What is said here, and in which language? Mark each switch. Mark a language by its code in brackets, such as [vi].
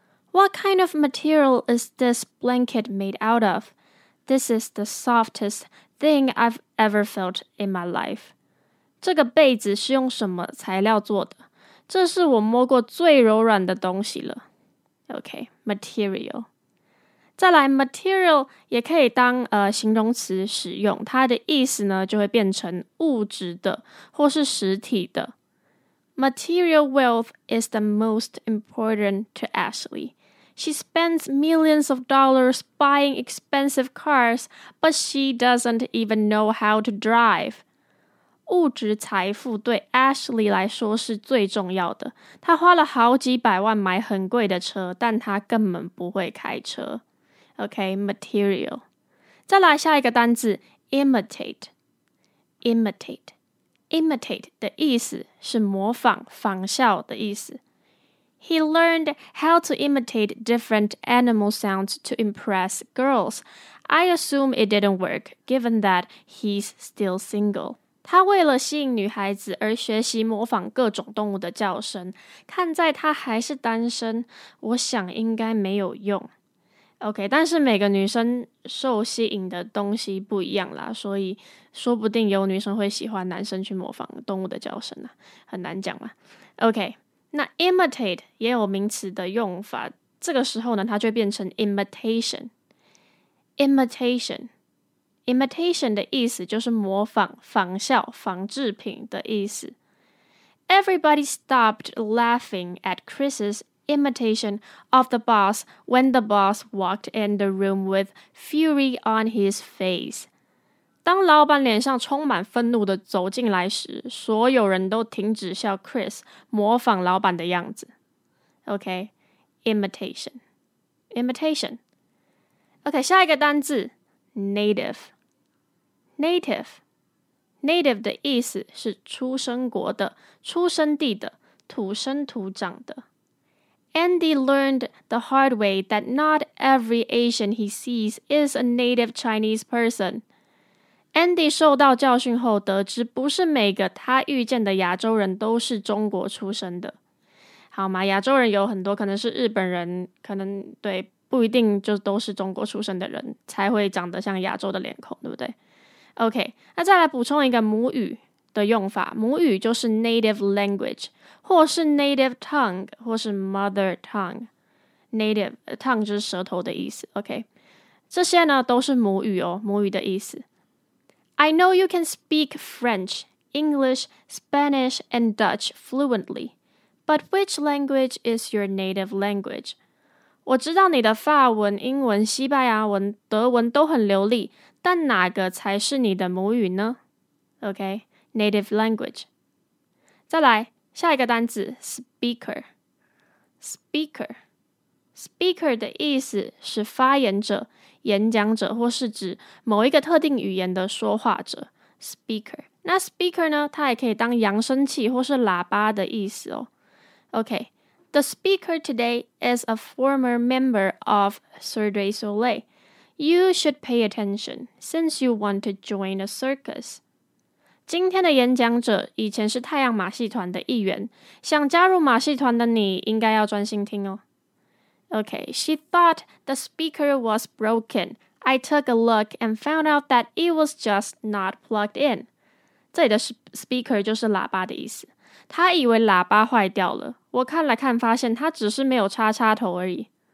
[en] What kind of material is this blanket made out of? This is the softest thing I've ever felt in my life. [zh] 这个被子是用什么材料做的？这是我摸过最柔软的东西了。 OK, material. 再来 ,material 也可以当形容词使用，它的意思呢就会变成物质的或是实体的。 [en] Material wealth is the most important to Ashley. She spends millions of dollars buying expensive cars, but she doesn't even know how to drive. [zh] 物质财富对 Ashley 来说是最重要的。她花了好几百万买很贵的车，但她根本不会开车。 Okay, material. 再来下一个单字 imitate. Imitate. Imitate 的意思是模仿、仿效的意思。 [en] He learned how to imitate different animal sounds to impress girls. I assume it didn't work, given that he's still single. [zh] 他为了吸引女孩子而学习模仿各种动物的叫声。看在他还是单身，我想应该没有用。 OK， 但是每个女生受吸引的东西不一样啦，所以说不定有女生会喜欢男生去模仿动物的叫声啦，很难讲啦。 OK， 那 imitate 也有名词的用法，这个时候呢它就变成 imitation。 imitation 的意思就是模仿、仿效、仿制品的意思。 [en] Everybody stopped laughing at Chris's imitation of the boss when the boss walked in the room with fury on his face. [zh] 当老板脸上充满愤怒地走进来时，所有人都停止笑 Chris 模仿老板的样子。 [en] OK, imitation. [zh] OK, 下一个单字 native 的意思是出生国的、出生地的、土生土长的。 [en] Andy learned the hard way that not every Asian he sees is a native Chinese person. [zh] Andy 受到教训后得知不是每个他遇见的亚洲人都是中国出生的。好吗？亚洲人有很多可能是日本人，可能对，不一定就都是中国出生的人才会长得像亚洲的脸孔，对不对？ OK, 那再来补充一个母语的用法，母语就是 native language, 或是 native tongue, 或是 mother tongue, native tongue 就是舌头的意思。 OK, 这些呢都是母语哦，母语的意思。 [en] I know you can speak French, English, Spanish, and Dutch fluently, but which language is your native language? [zh] 我知道你的法文、英文、西班牙文、德文都很流利，但哪个才是你的母语呢？ [en] OK, native language. [zh] 再来，下一个单字 speaker 的意思是发言者、演讲者，或是指某一个特定语言的说话者。 speaker, 那 speaker 呢，它也可以当扬声器或是喇叭的意思哦。 [en] OK,The speaker today is a former member of Cirque du Soleil. You should pay attention, since you want to join a circus. [zh] 今天的演讲者以前是太阳马戏团的一员，想加入马戏团的你应该要专心听哦。 [en] OK, she thought the speaker was broken. I took a look and found out that it was just not plugged in. [zh] 这里的 speaker 就是喇叭的意思。他以为喇叭坏掉了，我看了看发现他只是没有插插头而已。